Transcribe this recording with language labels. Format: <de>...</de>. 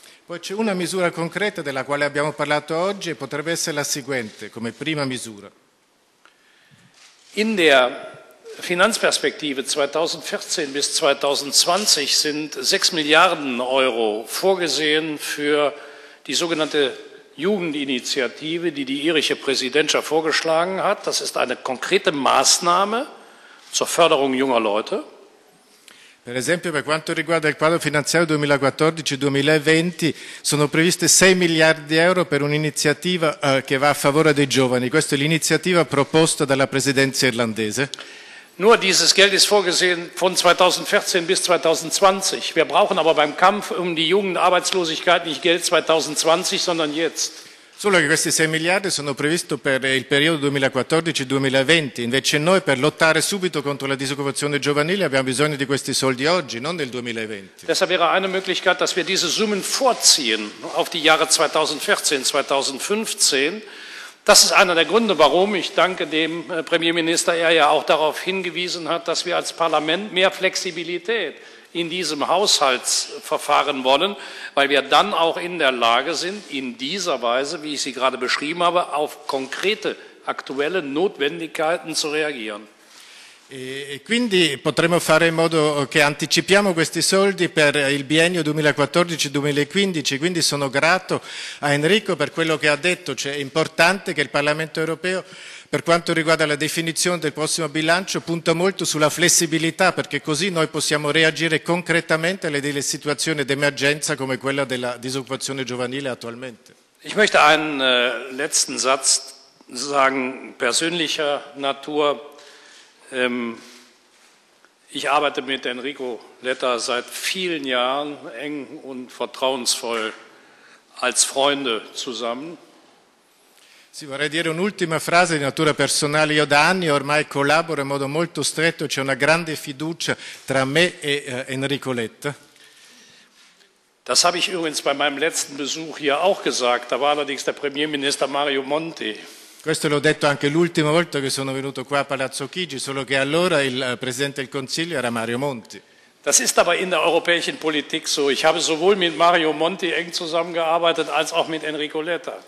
<it>Poi c'è una misura concreta della quale abbiamo parlato oggi e potrebbe essere la seguente, come prima misura.</it> <de>In der Finanzperspektive 2014 bis 2020 sind 6 Milliarden Euro vorgesehen für die sogenannte Jugendinitiative, die die irische Präsidentschaft vorgeschlagen hat. Das ist eine konkrete Maßnahme zur Förderung junger Leute.</de> <it>Per esempio, per quanto riguarda il quadro finanziario 2014-2020, sono previste 6 miliardi di euro per un'iniziativa che va a favore dei giovani. Questa è l'iniziativa proposta dalla presidenza irlandese.</it> <de>Nur dieses Geld ist vorgesehen von 2014 bis 2020. Wir brauchen aber beim Kampf um die Jugendarbeitslosigkeit nicht Geld 2020, sondern jetzt.</de> <it>Solo che questi 6 miliardi sono previsti per il periodo 2014-2020, invece noi per lottare subito contro la disoccupazione giovanile abbiamo bisogno di questi soldi oggi, non nel 2020.</it> <de>Deshalb wäre eine Möglichkeit, dass wir diese Summen vorziehen auf die Jahre 2014-2015. Das ist einer der Gründe, warum ich danke dem Premierminister, er ja auch darauf hingewiesen hat, dass wir als Parlament mehr Flexibilität in diesem Haushaltsverfahren wollen, weil wir dann auch in der Lage sind, in dieser Weise, wie ich sie gerade beschrieben habe, auf konkrete aktuelle Notwendigkeiten zu reagieren.</de> <it>E quindi potremmo fare in modo che anticipiamo questi soldi per il biennio 2014-2015, quindi sono grato a Enrico per quello che ha detto, cioè è importante che il Parlamento europeo per quanto riguarda la definizione del prossimo bilancio punta molto sulla flessibilità, perché così noi possiamo reagire concretamente alle delle situazioni d'emergenza come quella della disoccupazione giovanile attualmente.</it> <de>Ich möchte einen letzten Satz sagen, persönlicher Natur. Ich arbeite mit Enrico Letta seit vielen Jahren eng und vertrauensvoll als Freunde zusammen.</de> <it>Sì, vorrei dire un'ultima frase di natura personale. Io da anni ormai collaboro in modo molto stretto, c'è una grande fiducia tra me e Enrico Letta.</it> <de>Das habe ich übrigens bei meinem letzten Besuch hier auch gesagt. Da war allerdings der Premierminister Mario Monti.</de> <it>Questo l'ho detto anche l'ultima volta che sono venuto qua a Palazzo Chigi, solo che allora il presidente del Consiglio era Mario Monti.</it> <de>Das ist aber in der europäischen Politik so. Ich habe sowohl mit Mario Monti eng zusammengearbeitet als auch mit Enrico Letta.</de>